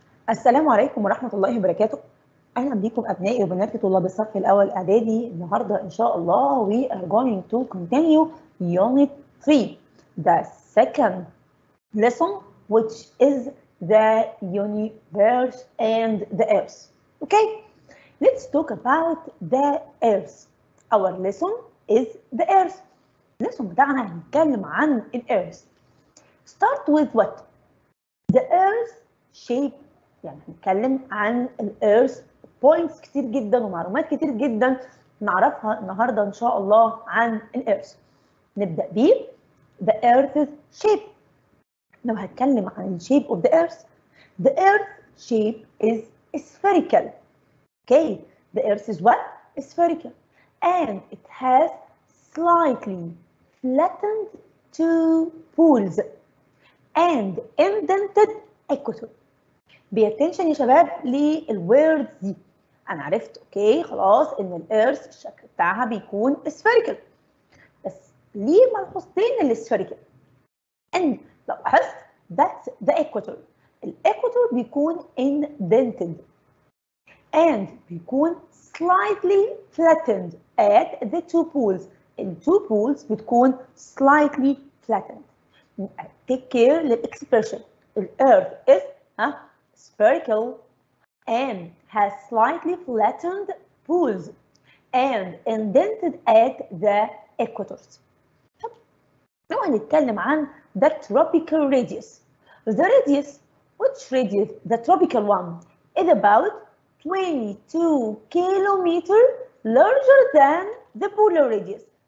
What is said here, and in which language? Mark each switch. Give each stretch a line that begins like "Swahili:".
Arabic: السلام عليكم ورحمة الله وبركاته. أهلا بكم أبنائي وبناتي طلاب الصف الأول إعدادي. النهاردة إن شاء الله
English: we are going to continue unit 3, the second lesson which is the universe and the earth. Okay, let's talk about the earth. Our lesson is the earth.
Arabic: اللسون بتاعنا هنتكلم عن الـ
English: earth. Start with what? The earth shape.
Arabic: يعني هنتكلم عن الـ earth points كتير جدا ومعلومات كتير جدا نعرفها النهاردة إن شاء الله عن الـ earth. نبدأ بيه
English: the earth's shape.
Arabic: لو هتكلم عن الـ
English: shape of the earth, the earth shape is spherical. Okay, the earth is what? Spherical. And it has slightly flattened two poles and indented equator. Pay attention
Arabic: يا شباب للwords دي. أنا عرفت أوكي خلاص إن الأرث الشكل بتاعها بيكون spherical. بس ليه ملحوظتين للspherical؟ إن لو لاحظت
English: that's the equator.
Arabic: الإكواتور بيكون
English: indented and
Arabic: بيكون
English: slightly flattened at the two poles. الـ two poles
Arabic: بتكون
English: slightly flattened. Take care للـ expression. الـ earth is spherical and has slightly flattened poles and indented at the equators.
Arabic: نوع نتكلم عن
English: the tropical radius. The radius, which radius? The tropical one is about 22 kilometers larger than the polar radius.